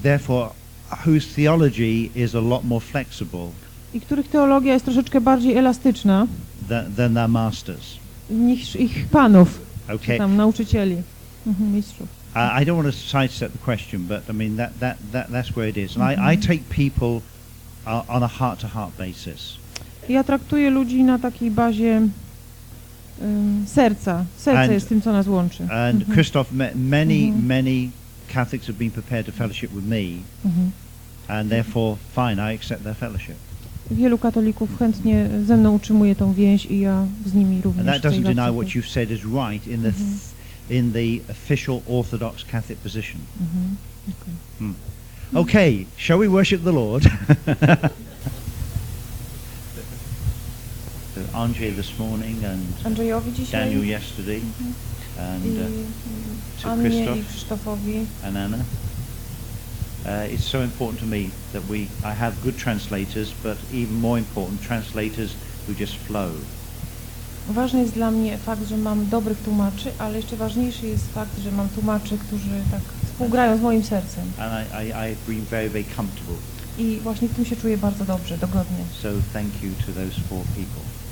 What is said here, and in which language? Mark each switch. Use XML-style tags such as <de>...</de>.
<en>Therefore, whose theology is a lot more flexible.</en> <pl>I których teologia jest troszeczkę bardziej elastyczna</pl> <en>than their masters.</en> <pl>Niż ich panów,</pl> <en>okay.</en> <pl>Tam nauczycieli, mistrzów.</pl> <en>I don't want to sidestep the question, but I mean that's where it is. And I take people on a heart-to-heart basis.</en> <pl>Ja traktuję ludzi na takiej bazie serca. Serce jest tym, co nas łączy.</pl> <en>And Christoph, many Catholics have been prepared to fellowship with me, and therefore, fine, I accept their fellowship.</en> <pl>Wielu katolików chętnie ze mną utrzymuje tą więź i ja z nimi również.</pl> <en>And that doesn't deny what you've said is right in the in the official Orthodox Catholic position. Okay, shall we worship the Lord? Andrzej this morning and</en> <pl>Andrzejowi dzisiaj,</pl> <en>Daniel yesterday, and to Krzysztof and Anna. It's so important to me that I have good translators, but even more important, translators who just flow.</en> <pl>Ważny jest dla mnie fakt, że mam dobrych tłumaczy, ale jeszcze ważniejszy jest fakt, że mam tłumaczy, którzy tak współgrają z moim sercem.</pl> <en>And I bring very, very comfortable.</en> <pl>I właśnie w tym się czuję bardzo dobrze, dogodnie.</pl> <en>So thank you to those four people.</en>